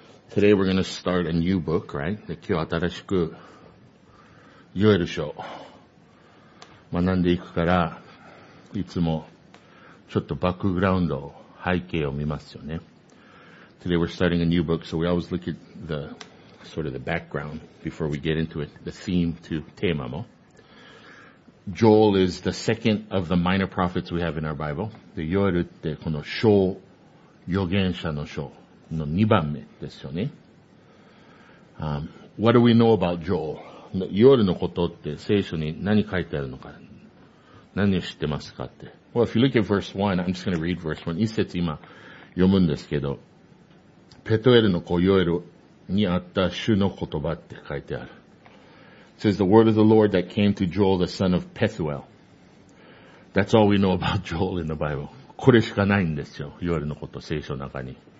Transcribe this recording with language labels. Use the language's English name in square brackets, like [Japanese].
[English] Today we're going to start a new book, right? [Japanese] で、今日新しくヨエル書を学んでいくから、いつもちょっとバックグラウンド、背景を見ますよね。 [English] Today we're starting a new book, so we always look at the sort of the background before we get into it, the theme to テーマも。 Joel is the second of the minor prophets we have in our Bible. [Japanese] で、ヨエルってこの書、預言者の書。の2番目ですよね。 [English] What do we know about Joel? [Japanese] ヨエルのことって聖書に何書いてあるのか、何を知ってますかって。 Well, if you look at verse 1, I'm just going to read verse 1. 一節今読むんですけど、ペトエルの子ヨエルにあった主の言葉って書いてある。 [English] It says, the word of the Lord that came to Joel, the son of Pethuel. That's all we know about Joel in the Bible. [Japanese] これしかないんですよ。ヨエルのこと、聖書の中に。